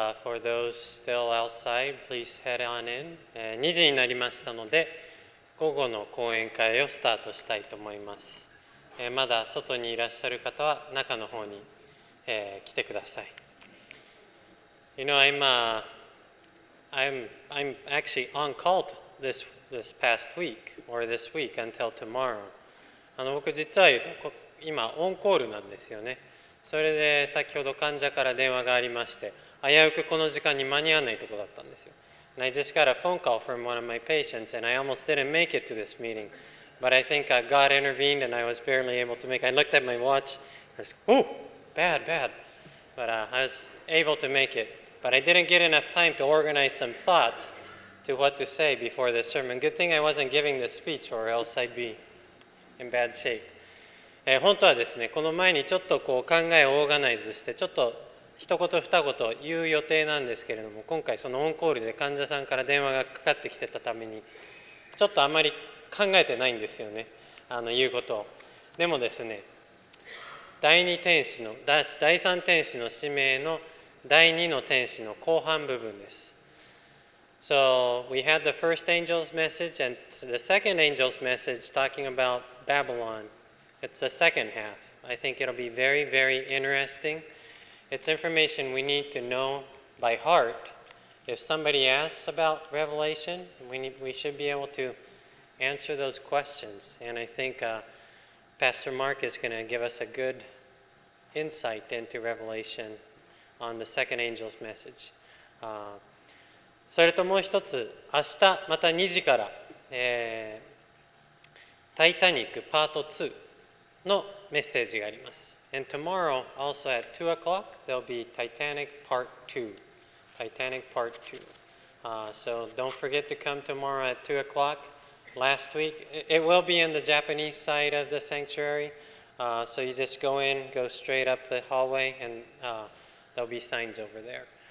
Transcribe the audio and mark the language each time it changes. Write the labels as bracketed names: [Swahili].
[English] For those still outside, please head on in. [Japanese] 2時になりましたので、午後の講演会をスタートしたいと思います。まだ外にいらっしゃる方は中の方に、来てください。 [English] You know, I'm actually on call this past week or this week until tomorrow. [Japanese] 僕実は言うと今オンコールなんですよね。それで先ほど患者から電話がありまして、危うくこの時間に間に合わないとこだったんですよ。 [English] And I just got a phone call from one of my patients, and I almost didn't make it to this meeting. But I think God intervened, and I was barely able to make it. I looked at my watch. I was, ooh, bad, bad. But I was able to make it. But I didn't get enough time to organize some thoughts to what to say before this sermon. Good thing I wasn't giving this speech, or else I'd be in bad shape. [Japanese] 本当はですね、この前にちょっとこう考えをオーガナイズして、ちょっと一言二言言う予定なんですけれども、今回そのオンコールで患者さんから電話がかかってきてたために、ちょっとあまり考えてないんですよね、言うことを。でもですね、第三天使の使命の第二の天使の後半部分です。 [English] So, we had the first angel's message and the second angel's message talking about Babylon. It's the second half. I think it'll be very, very interesting. It's information we need to know by heart. If somebody asks about Revelation, we should be able to answer those questions. And I think Pastor Mark is going to give us a good insight into Revelation on the second angel's message. [Japanese] それともう一つ、明日また2時から、タイタニックパート2のメッセージがあります。 [English] And tomorrow, also at 2 o'clock, there'll be Titanic Part 2. Titanic Part 2. So don't forget to come tomorrow at 2 o'clock. Last week, it will be in the Japanese side of the sanctuary. So you just go in, go straight up the hallway, and there'll be signs over there.